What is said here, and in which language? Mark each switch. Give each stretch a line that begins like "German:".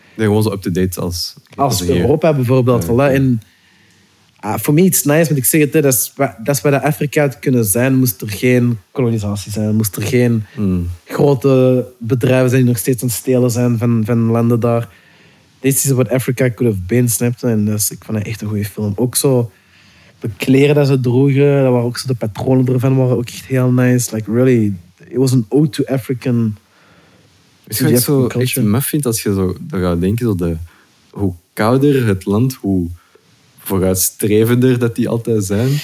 Dutch: Nee, gewoon zo up-to-date als... Als Europa, hier. Bijvoorbeeld. Ja. Voilà. En voor mij iets nice, want ik zeg het, dat is waar Afrika had kunnen zijn, moest er geen kolonisatie zijn. Moest er geen grote bedrijven zijn die nog steeds aan het stelen zijn van landen daar.
English: This is what Africa could have been,
Dutch: snapt. En dus, ik vond dat echt een goede film. Ook zo, de kleren dat ze droegen, dat waren ook zo de patronen ervan, waren ook echt heel nice.
English: Like, really, it was an ode to African
Dutch: Weet je wat ik zo echt muf vind? Als je zo gaat denken, zo de, hoe kouder het land, hoe vooruitstrevender dat die altijd zijn.